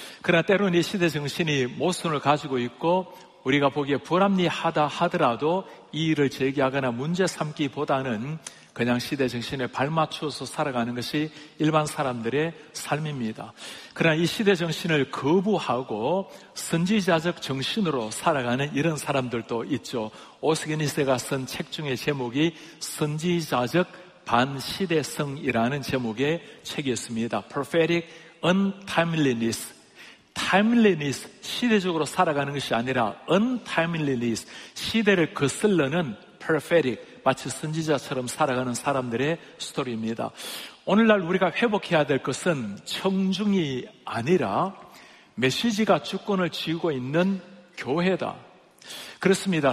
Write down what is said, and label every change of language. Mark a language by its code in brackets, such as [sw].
[ko] 그러나 때로는 이 시대 정신이 모순을 가지고 있고 우리가 보기에 불합리하다 하더라도 이 일을 제기하거나 문제 삼기보다는 그냥 시대 정신에 발맞추어서 살아가는 것이 일반 사람들의 삶입니다. 그러나 이 시대 정신을 거부하고 선지자적 정신으로 살아가는 이런 사람들도 있죠. 오스기니스가 쓴 책 중에 제목이 선지자적 반시대성이라는 제목의 책이었습니다. [en] Prophetic Untimeliness. Timeliness, [ko] 시대적으로 살아가는 것이 아니라 [en] Untimeliness, [ko] 시대를 거슬러는 [en] Prophetic, [ko] 마치 선지자처럼 살아가는 사람들의 스토리입니다. 오늘날 우리가 회복해야 될 것은 청중이 아니라 메시지가 주권을 쥐고 있는 교회다. 그렇습니다.